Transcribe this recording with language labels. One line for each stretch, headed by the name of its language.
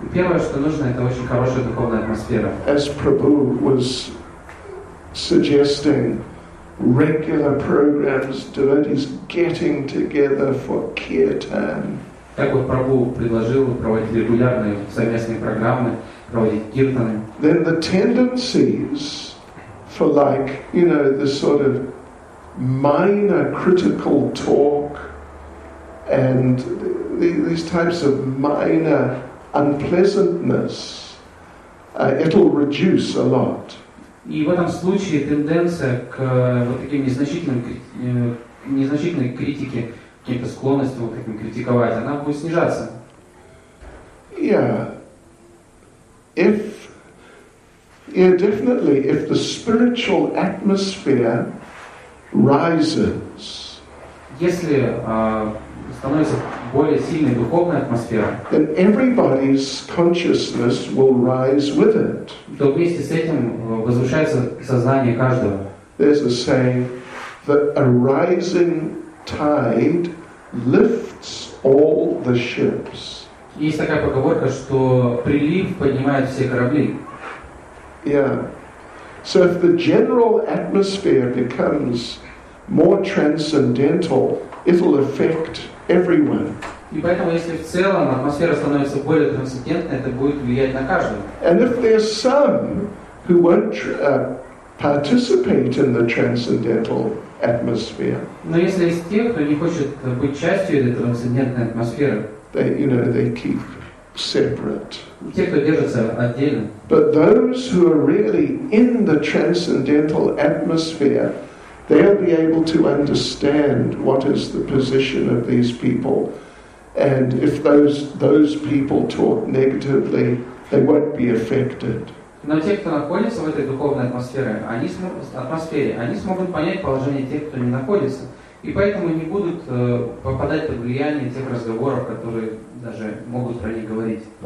Russian: Первое, что нужно, это очень хорошая духовная атмосфера.
English: As Prabhu was suggesting, regular programs, devotees getting together for kirtan.
Russian: Так вот Прабху предложил проводить регулярные совместные программы, проводить киртаны.
English: Then the tendencies for, like, you know, the sort of minor critical talk and these types of minor unpleasantness, it'll reduce a lot.
Russian: И в этом случае тенденция к вот таким незначительной критике, каким-то склонностям вот таким критиковать, она будет снижаться.
English: Yeah. If, yeah, definitely, if the spiritual atmosphere rises.
Russian: Если становится более сильной духовная атмосфера,
English: then everybody's consciousness will rise with it.
Russian: То вместе с этим возвышается сознание каждого.
English: There's a saying that a rising tide lifts all the ships.
Russian: Есть такая поговорка, что прилив поднимает все корабли.
English: Yeah. So if the general atmosphere becomes more transcendental, it'll affect everyone.
Russian: И поэтому, если в целом атмосфера становится более трансцендентной, это будет влиять на каждого.
English: And if there's some who won't participate in the transcendental atmosphere,
Russian: но если есть те, кто не хочет быть частью этой трансцендентной атмосферы,
English: they, you know, they keep separate.
Russian: Те, кто держится отдельно.
English: But those who are really in the transcendental atmosphere, they'll be able to understand what is the position of these people. And if those people talk negatively, They won't be affected.
Russian: Но те, кто находится в этой духовной атмосфере, они смогут понять положение тех, кто не находится, и поэтому не будут попадать под влияние тех разговоров, которые даже могут про них говорить.